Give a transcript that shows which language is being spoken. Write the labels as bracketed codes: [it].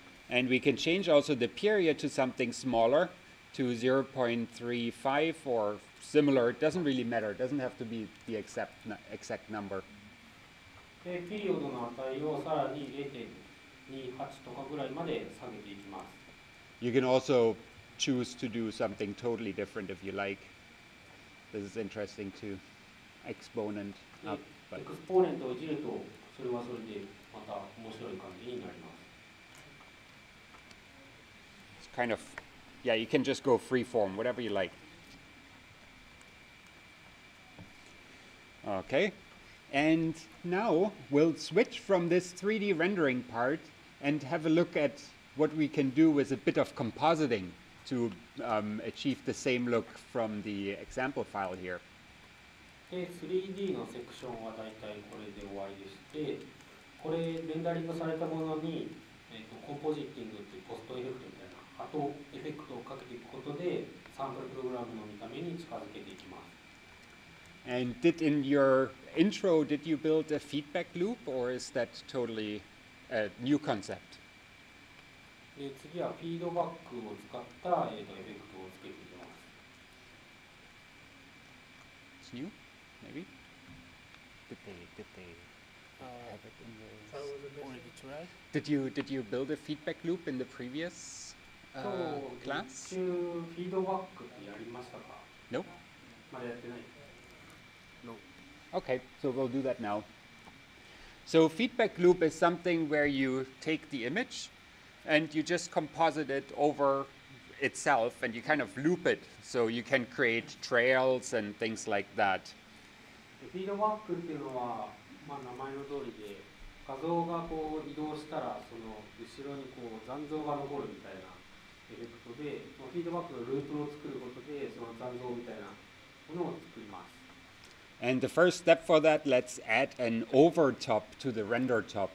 [en] And we can change also the period to something smaller, to 0.35 or similar. It doesn't really matter. It doesn't have to be the exact number. [ja] で、ピリオドの値をさらに0.28 とかぐらいまで下げていきます。 [en] You can also choose to do something totally different if you like. This is interesting too. Exponent up. [ja] Exponent をいじるとそれはそれでまた面白い感じになります。 [en] It's kind of, yeah, you can just go freeform, whatever you like. Okay, and now we'll switch from this 3D rendering part and have a look at what we can do with a bit of compositing to achieve the same look from the example file here. [ja] 3D のセクションはだいたいこれで終わりでして、これレンダリングされたものに、コンポジティングというポストエフェクトみたいな後エフェクトをかけていくことでサンプルプログラムの見た目に近づけていきます。 [en] And did in your intro, did you build a feedback loop or is that totally... A new concept. [ja] 次はフィードバックを使ったエフェクトをつけていきます。 [en] It's new? Maybe? Did they have it in the... Did you build a feedback loop in the previous class? [ja] 一週フィードバックってやりましたか [en] ?Nope. [ja] まだやってない [en] ?Nope. Okay, so we'll do that now. So feedback loop is something where you take the image and you just composite it over itself and you kind of loop it so you can create trails and things like that. [ja] Feedback っていうのは、名前の通りで、画像がこう移動したら、その後ろにこう残像が残るみたいなエフェクトで、フィードバックのループを作ることで、その残像みたいなものを作ります。 [en] And the first step for that, let's add an overtop to the render top.